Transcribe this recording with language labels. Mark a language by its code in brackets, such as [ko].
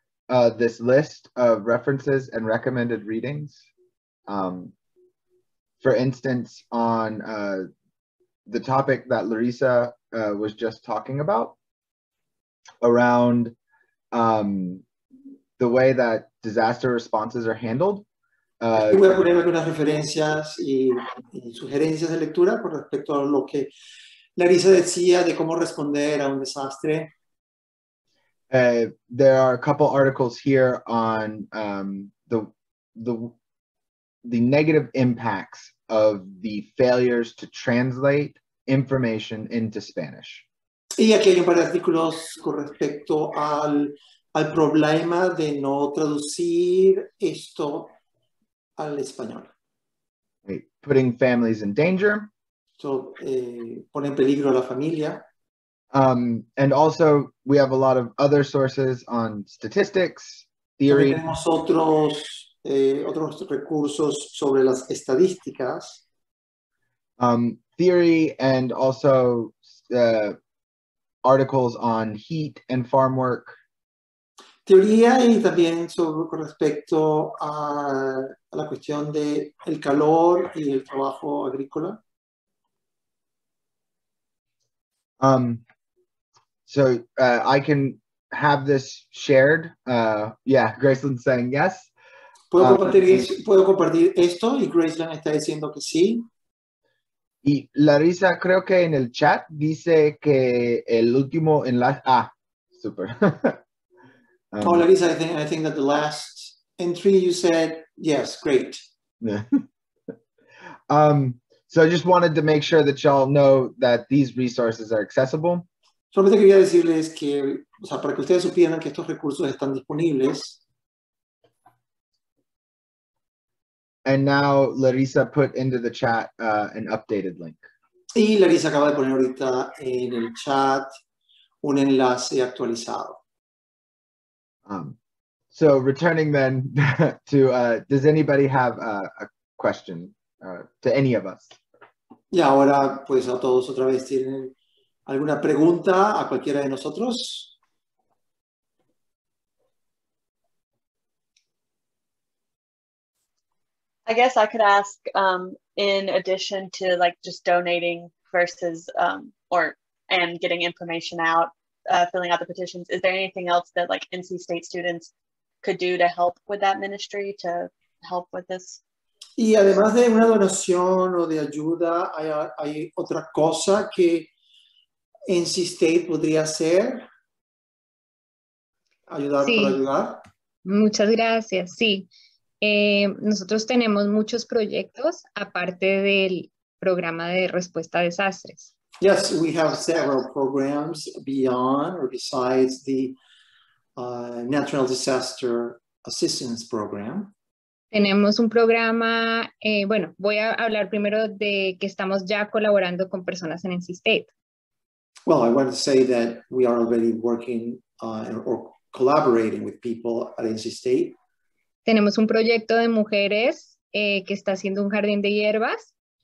[en] this list of references and recommended readings. For instance, on the topic that Larissa was just talking about, around the way that disaster responses are handled. [es] Voy a poner algunas referencias y sugerencias de lectura con respecto a lo que Larissa decía de cómo responder a un desastre. [en] There are a couple articles here on the negative impacts of the failures to translate information into Spanish. [es] Y aquí hay un par de artículos con respecto al problema de no traducir esto al español. [en] Right. Putting families in danger. [es] So, pone en peligro a la familia. [en] And also, we have a lot of other sources on statistics, theory. [es] También tenemos otros recursos sobre las estadísticas. [en] Theory and also articles on heat and farm work. [es] Teoría y también sobre con respecto a la cuestión de el calor y el trabajo agrícola. [en] So I can have this shared. Yeah, Graceland's saying yes. [es] Puedo compartir esto y Graceland está diciendo que sí. Y Larissa, creo que en el chat dice que el último enlace. Ah, super. [en] Larissa, I think that the last entry you said, yes, great. So I just wanted to make sure that y'all know that these resources are accessible. [es] Solamente quería decirles que, o sea, para que ustedes supieran que estos recursos están disponibles. [en] And now Larissa put into the chat an updated link. [es] Y Larissa acaba de poner ahorita en el chat un enlace actualizado. [en] So returning then to, does anybody have a question to any of us? [es] Y ahora pues a todos otra vez tienen alguna pregunta a cualquiera de nosotros. [en] I guess I could ask, in addition to like just donating versus and getting information out, filling out the petitions, is there anything else that like NC State students could do to help with that ministry, to help with this? [es] Y además de una donación o de ayuda, hay otra cosa que NC State podría hacer? Ayudar sí. Para ayudar. Muchas gracias, sí. Nosotros tenemos muchos proyectos aparte del programa de respuesta a desastres. [en] Yes, we have several programs beyond or besides the Natural Disaster Assistance Program. [es] Tenemos un programa, bueno, voy a hablar primero de que estamos ya colaborando con personas en NC State. [en] Well, I want to say that we are already working or collaborating with people at NC State. [es] Tenemos un proyecto de mujeres que está haciendo un jardín de hierbas.